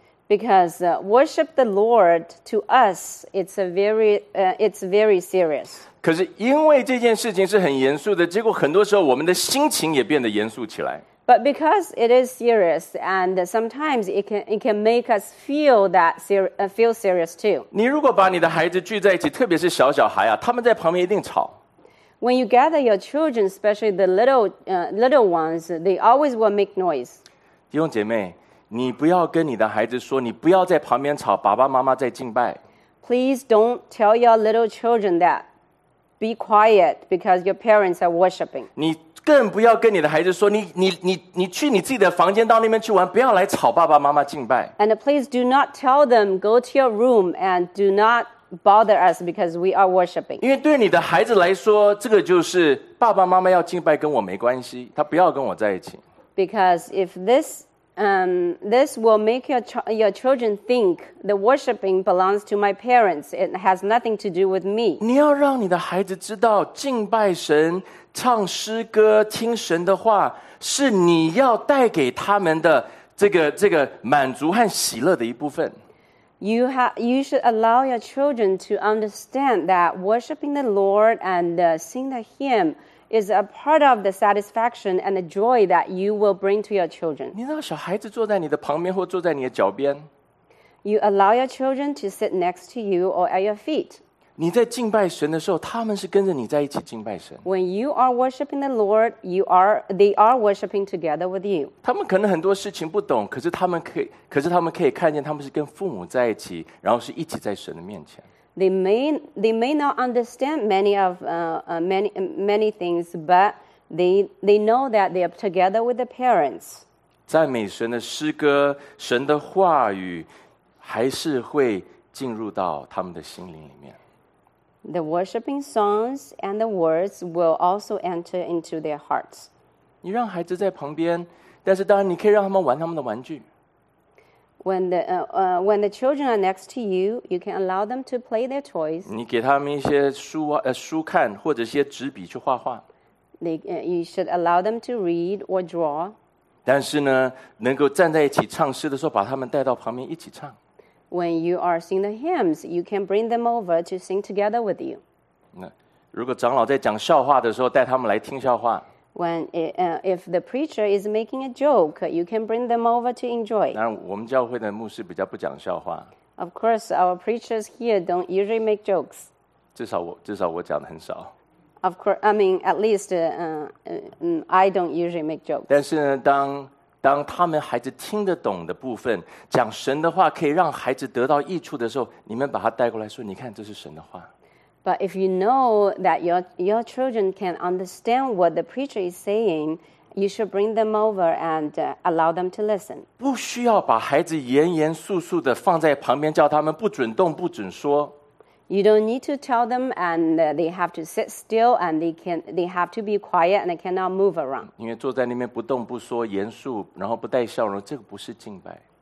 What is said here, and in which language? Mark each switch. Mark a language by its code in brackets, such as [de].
[en] Because worship the Lord to us, it's very serious. [zh] 可是因为这件事情是很严肃的，结果很多时候我们的心情也变得严肃起来。 [en] But because it is serious, and sometimes it can make us feel serious too. [zh] 你如果把你的孩子聚在一起，特别是小小孩啊，他们在旁边一定吵。 [en] When you gather your children, especially the little ones, they always will make noise. [zh] 弟兄姐妹，你不要跟你的孩子说，你不要在旁边吵，爸爸妈妈在敬拜。 [en] Please don't tell your little children that. Be quiet because your parents are worshiping. [zh] 你更不要跟你的孩子说，你去你自己的房间到那边去玩，不要来吵爸爸妈妈敬拜。 [en] And please do not tell them, go to your room and do not. Bother us because we are worshiping. [zh] 因为对你的孩子来说，这个就是爸爸妈妈要敬拜，跟我没关系，他不要跟我在一起。 [en] Because if this will make your children think the worshiping belongs to my parents, it has nothing to do with me. [zh] 你要让你的孩子知道，敬拜神、唱诗歌、听神的话，是你要带给他们的这个满足和喜乐的一部分。 [en] You should allow your children to understand that worshiping the Lord and sing the hymn is a part of the satisfaction and the joy that you will bring to your children. [zh] 你让小孩子坐在你的旁边或坐在你的脚边。 [en] You allow your children to sit next to you or at your feet. [zh] 你在敬拜神的时候，他们是跟着你在一起敬拜神。 [en] When you are worshiping the Lord, they are worshiping together with you. [zh] 他们可能很多事情不懂，可是他们可以看见他们是跟父母在一起，然后是一起在神的面前。 [en] They may not understand many things, but they know that they are together with the parents. [zh] 赞美神的诗歌，神的话语，还是会进入到他们的心灵里面。 [en] The worshiping songs and the words will also enter into their hearts. [zh] 你让孩子在旁边，但是当然你可以让他们玩他们的玩具。 [en] When the children are next to you, you can allow them to play their toys. [zh] 你给他们一些书看，或者一些纸笔去画画。 [en] You should allow them to read or draw. [zh] 但是呢，能够站在一起唱诗的时候，把他们带到旁边一起唱。 [en] When you are singing the hymns, you can bring them over to sing together with you. [zh] 如果长老在讲笑话的时候，带他们来听笑话。 [en] If the preacher is making a joke, you can bring them over to enjoy. [zh] 当然，我们教会的牧师比较不讲笑话。 [en] Of course, our preachers here don't usually make jokes. [zh] 至少我讲的很少。 [en] Of course, I mean, at least, I don't usually make jokes. [zh] 但是呢，当他们孩子听得懂的部分，讲神的话可以让孩子得到益处的时候，你们把他带过来说，你看，这是神的话。 [en] But if you know that your children can understand what the preacher is saying, you should bring them over and allow them to listen. [zh] 不需要把孩子严严肃肃的放在旁边，叫他们不准动，不准说。 [en] You don't need to tell them, and they have to sit still, and they have to be quiet, and they cannot move around. [zh] 因为坐在那边不动不说，严肃，然后不带笑容，这个不是敬拜。